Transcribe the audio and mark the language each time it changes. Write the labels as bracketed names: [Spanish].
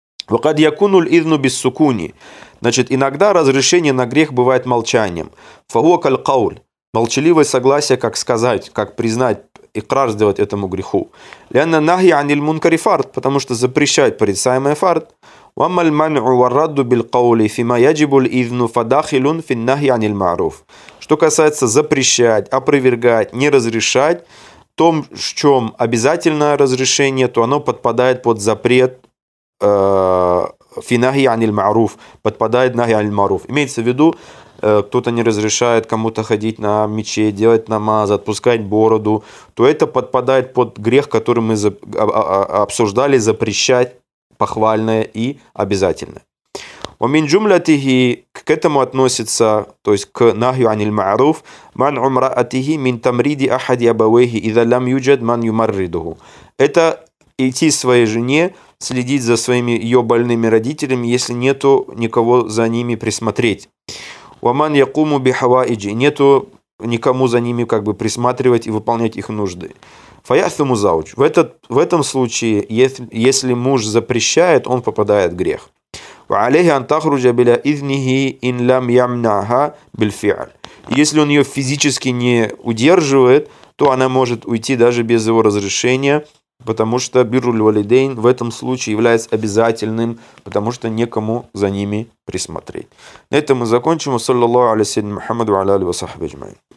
[Arabic] وقد يكون الإذن بالسكون. [Russian] Значит, иногда разрешение на грех бывает молчанием. [Arabic] فهو كالقول. [Russian] Молчаливое согласие, как сказать, как признать, икрар сделать этому греху. [Arabic] لأن النهي عن المنكر فرض, [Russian] потому что запрещать порицаемое фард. [Arabic] وأما المنع والرد بالقول فيما يجب الإذن فداخل في النهي عن المعروف. [Russian] Что касается запрещать, опровергать, не разрешать, в том, в чем обязательное разрешение, то оно подпадает под запрет финахи аниль маруф, подпадает нахи аниль маруф. Имеется в виду, кто-то не разрешает кому-то ходить на мечеть, делать намаз, отпускать бороду, то это подпадает под грех, который мы обсуждали, запрещать похвальное и обязательное. [Arabic] ومن جملته [Russian] к этому относится, то есть к нахью аниль маруф, ман умраатихи мин тамриди ахади абавейхи иза лам юджад ман юмарридуху. Это идти своей жене, следить за своими ее больными родителями, если нету никого за ними присмотреть. Ваман якуму бихаваиджи. Нету никому за ними как бы присматривать и выполнять их нужды. Фаясуму зауч. В этом случае, если муж запрещает, он попадает в грех. [Arabic] وعليه أن تخرج بلا إذنه إن لم يمنعها بالفعل. [Russian] Если он ее физически не удерживает, то она может уйти даже без его разрешения, потому что бирруль валидейн в этом случае является обязательным, потому что некому за ними присмотреть. На этом мы закончим. Саллаллаху алейхи ва саллям Мухаммаду ва алейхи ва сахбиджмайн.